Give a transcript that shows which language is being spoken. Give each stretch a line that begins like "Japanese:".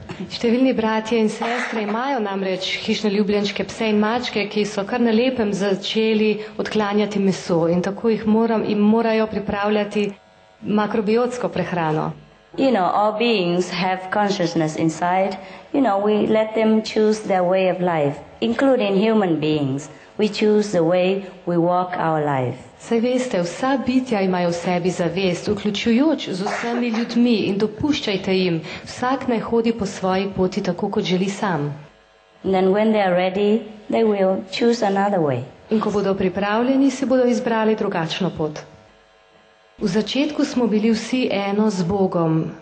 Slovenian: Številni bratje in sestre imajo namreč hišne ljubljenčke, pse in mačke, ki so kar na lepem začeli odklanjati meso in tako jih morajo pripravljati makrobiotsko prehrano.
English: You know, all beings have consciousness inside. You know, we let them choose their way of life, including human beings. We choose the way we walk our life.
Slovenian: Saj veste, vsa bitja imajo v sebi zavest, vključujoč z vsemi ljudmi in dopuščajte jim. Vsak naj hodi po svoji poti tako, kot želi sam.
English: And then when they are ready, they will choose another way.
Slovenian: In ko bodo pripravljeni, se bodo izbrali drugačno pot. V začetku smo bili vsi eno z Bogom.